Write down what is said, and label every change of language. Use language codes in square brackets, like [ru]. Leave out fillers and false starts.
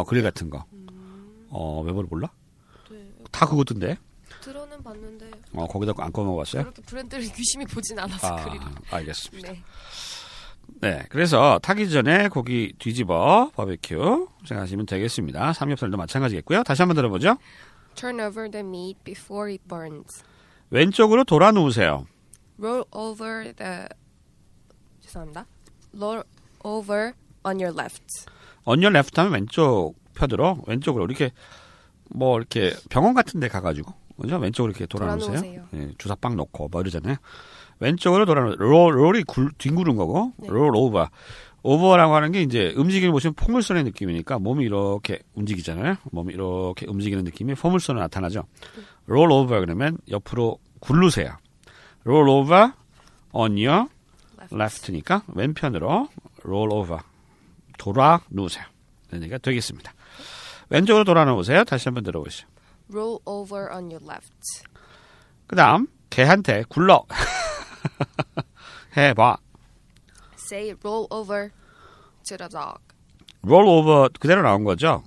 [ko] 같은 거. 웨버를 몰라? 네. 다 그거던데. 들어는 봤는데. 거기다 안 구워 먹어봤어요? 그렇게 브랜드를 유심히 보진 않아서 그릴. 알겠습니다. 네. 네, 그래서 타기 전에 고기 뒤집어 바베큐 생각하시면 되겠습니다. 삼겹살도 마찬가지겠고요. 다시 한번 들어보죠. [en] Turn over the meat before it burns. [ko] 왼쪽으로 돌아 놓으세요. [en] Roll over the [ko] 죄송합니다. [en] Roll over on your left. On your left [ko] 하면 왼쪽 펴들어. 왼쪽으로 이렇게 뭐 이렇게 병원 같은 데 가가지고 그죠? 왼쪽으로 이렇게 돌아 놓으세요. 네, 주사빵 놓고 뭐 이러잖아요. 왼쪽으로 돌아 놓으세요. Roll이 뒹구는 거고 네. [en] Roll over. [ko] Over라고 하는 게 이제 움직임을 보시면 포물선의 느낌이니까 몸이 이렇게 움직이잖아요. 몸이 이렇게 움직이는 느낌이 포물선으로 나타나죠. Roll over 그러면 옆으로 굴르세요. [en] Roll over on your left [ko] 니까 왼편으로 roll over 돌아 누우세요. 라는 얘기가 되겠습니다. 왼쪽으로 돌아 누우세요. 다시 한번 들어보시죠. [en] Roll over on your left. [ko] 그 다음 개한테 굴러 해봐. [en] Say roll over to the dog. [ko] Roll over 그대로 나온 거죠.